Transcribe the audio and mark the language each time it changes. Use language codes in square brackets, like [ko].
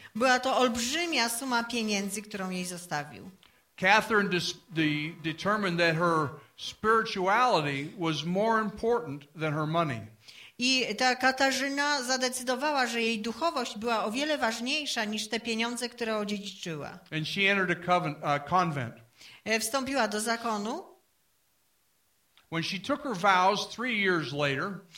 [pl] Była to olbrzymia suma pieniędzy, którą jej zostawił. [en] Catherine determined that her spirituality was more important than her money. [pl] I ta Katarzyna zadecydowała, że jej duchowość była o wiele ważniejsza niż te pieniądze, które odziedziczyła. [en] And she entered a convent. [pl] Wstąpiła do zakonu. [en] When she took her vows 3 years later.